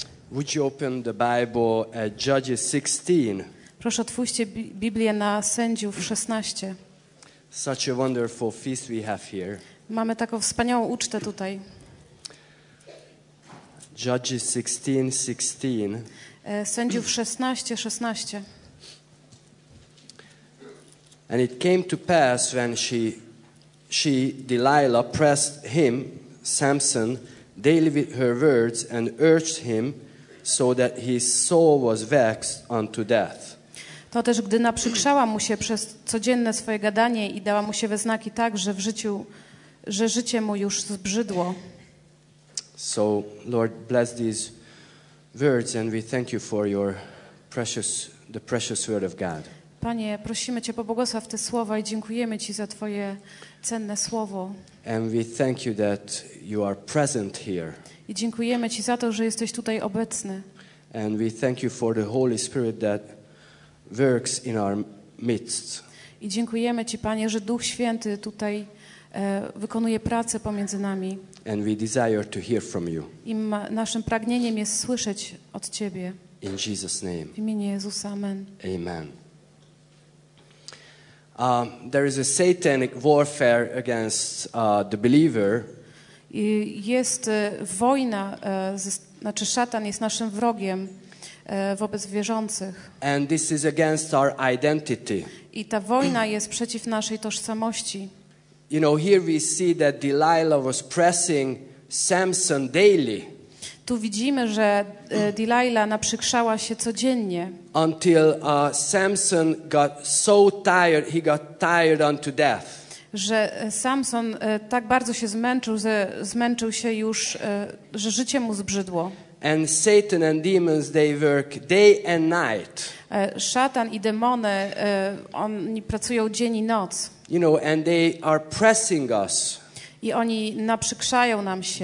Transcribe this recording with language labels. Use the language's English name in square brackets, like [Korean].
[English] Would you open the Bible at Judges 16? [Polish] Proszę otwórzcie Biblię na Sędziów 16. [English] Such a wonderful feast we have here. [Polish] Mamy taką wspaniałą ucztę tutaj. [English] Judges 16:16. [Polish] Sędziów 16:16. [English] And it came to pass when she Delilah pressed him, Samson, daily with her words and urged him, so that his soul was vexed unto death. [Polish] To też, gdy naprzykrzała mu się przez codzienne swoje gadanie i dała mu się we znaki tak, że w życiu, że życie mu już zbrzydło. [English] So, Lord, bless these words and we thank you for your precious, the precious word of God. [Polish] Panie, prosimy Cię, pobłogosław te słowa i dziękujemy Ci za Twoje cenne słowo. [English] And we thank you that you are present here. [Polish] I dziękujemy Ci za to, że jesteś tutaj obecny. [English] And we thank you for the Holy Spirit that works in our midst. [Polish] I dziękujemy Ci, Panie, że Duch Święty tutaj wykonuje pracę pomiędzy nami. [English] And we desire to hear from you. [Polish] I naszym pragnieniem jest słyszeć od Ciebie. [English] In Jesus name. [Polish] W imieniu Jezusa, amen. [English] Amen. There is a satanic warfare against the believer. [Polish] Jest wojna, znaczy szatan jest naszym wrogiem wobec wierzących. [English] And this is against our identity. [Polish] I ta wojna jest przeciw naszej tożsamości. [English] You know, here we see that Delilah was pressing Samson daily. [Polish] Tu widzimy, że Delilah naprzykrzała się codziennie. [English] Until Samson got so tired, he got tired unto death. [Polish] Że Samson tak bardzo się zmęczył, że zmęczył się już, że życie mu zbrzydło. [English] And Satan and demons, they work day and night. [Polish] Szatan i demony, oni pracują dzień i noc. [English] You know, and they are pressing us. [Polish] I oni naprzykrzają nam się.